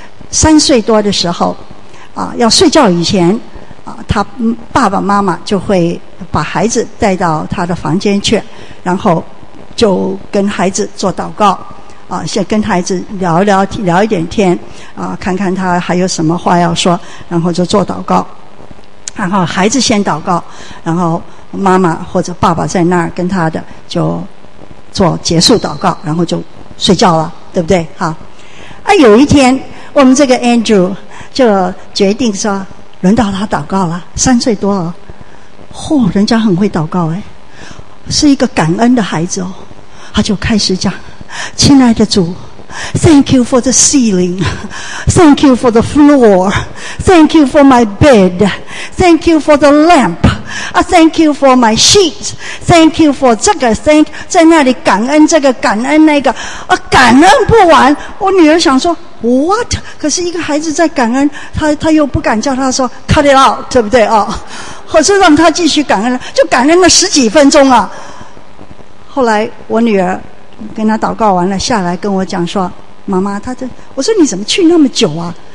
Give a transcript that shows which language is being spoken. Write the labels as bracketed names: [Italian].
[Chinese] 3岁多的时候，啊，要睡觉以前，啊，他爸爸妈妈就会把孩子带到他的房间去，然后就跟孩子做祷告，啊，先跟孩子聊一点天，啊，看看他还有什么话要说，然后就做祷告，然后孩子先祷告，然后妈妈或者爸爸在那儿跟他的就做结束祷告，然后就睡觉了，对不对？哈，啊，有一天。我们这个 Andrew 就决定说轮到他祷告了，3岁多哦，嚯，人家很会祷告，哎，是一个感恩的孩子哦。他就开始讲，亲爱的主， [English] Thank you for the ceiling， Thank you for the floor， Thank you for my bed， Thank you for the lamp， Thank you for my sheet， Thank you for [Chinese] 这个 [English] thank， [Chinese] 在那里感恩这个感恩那个，感恩不完。我女儿想说What？可是一个孩子在感恩，他又不敢叫他说 [English] cut it out， [Chinese] 对不对啊？或是让他继续感恩，就感恩了10几分钟啊。后来我女儿跟他祷告完了，下来跟我讲说：“妈妈，我说你怎么去那么久啊？